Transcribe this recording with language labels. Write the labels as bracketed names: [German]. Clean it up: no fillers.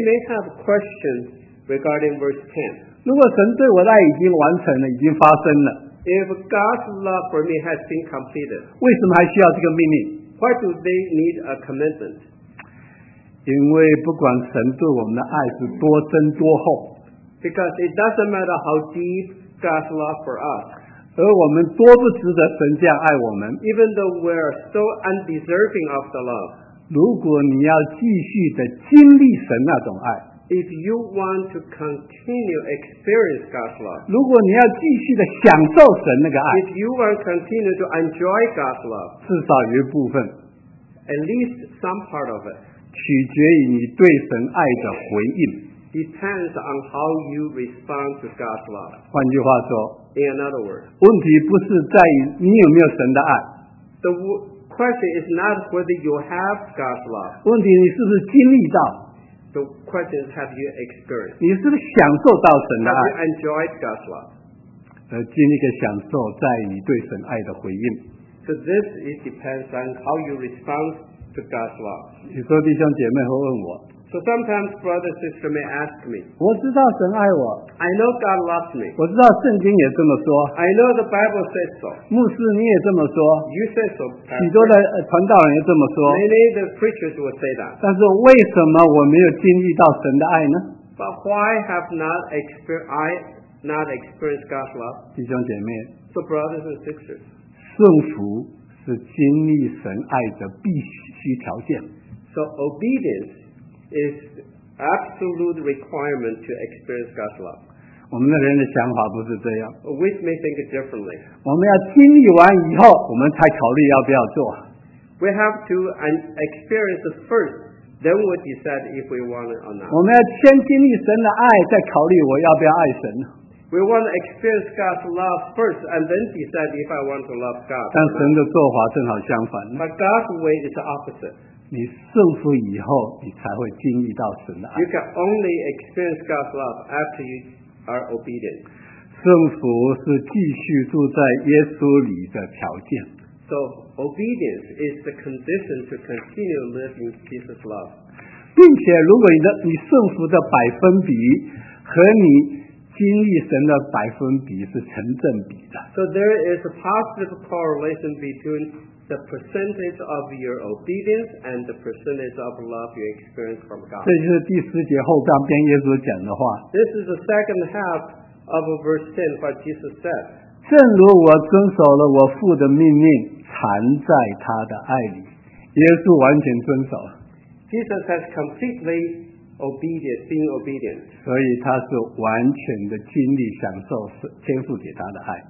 [English] may have a question regarding verse 10. [Chinese] 如果神对我的爱已经完成了，已经发生了。If [English] God's love for me has been completed. [Chinese] 为什么还需要这个命令？ [English] Why do they need a commandment? [Chinese] 因为不管神对我们的爱是多深多厚。 [English] Because it doesn't matter how deep God's love for us. [Chinese] 而我们多不值得神这样爱我们, [English] even though we're so undeserving of the love. [Chinese] 如果你要继续的经历神那种爱, [English] if you want to continue experience God's love. [Chinese] 如果你要继续的享受神那个爱, [English] if you want to continue to enjoy God's love. [Chinese] 至少一部分, [English] at least some part of it. [Chinese] 取决于你对神爱的回应。 [English] Depends on how you respond to God's love. [Chinese] 换句话说, [English] in another word, [Chinese] 问题不是在于你有没有神的爱, [English] the question is not whether you have God's love. [Chinese] 问题你是不是经历到, [English] the question is have you experienced? [Chinese] 你是不是享受到神的爱, [English] have you enjoyed God's love? [Chinese] 而经历的享受在于你对神爱的回应。 [English] So this it depends on how you respond to God's love. [Chinese] 有时候弟兄姐妹会问我, [English] so sometimes brothers and sisters may ask me, [Chinese] 我知道神爱我, [English] I know God loves me. [Chinese] 我知道圣经也这么说, [English] I know the Bible says so. [Chinese] 牧师你也这么说, [English] you say so, Pastor. [Chinese] 许多的传道人也这么说, [English] many the preachers will say that. [Chinese] 但是为什么我没有经历到神的爱呢? [English] But why have not I not experienced God's love? [Chinese] 弟兄姐妹, [English] so brothers and sisters, [Chinese] 顺服是经历神爱的必须条件。 [English] So obedience is absolute requirement to experience God's love. [Chinese] 我们的人的想法不是这样。 [English] We may think it differently. [Chinese] 我们要经历完以后，我们才考虑要不要做。 [English] We have to experience it first, then we decide if we want it or not. [Chinese] 我们要先经历神的爱，再考虑我要不要爱神。 [English] We want to experience God's love first, and then decide if I want to love God. [Chinese] 但神的做法正好相反。 [English] But God's way is the opposite. [Chinese] 你顺服以后，你才会经历到神的爱。 [English] You can only experience God's love after you are obedient. [Chinese] 顺服是继续住在耶稣里的条件。 [English] So obedience is the condition to continue living Jesus' love. [Chinese] 并且，如果你顺服的百分比和你经历神的百分比是成正比的。 [English] So there is a positive correlation between. The percentage of your obedience and the percentage of love you experience from God. [Chinese] 这就是第十节后半边耶稣讲的话。 [English] This is the second half of verse 10, what Jesus said. [Chinese] 正如我遵守了我父的命令，藏在他的爱里。耶稣完全遵守。 [English] Jesus has completely obedient, being obedient. [Chinese] 所以他是完全的经历享受天父给他的爱。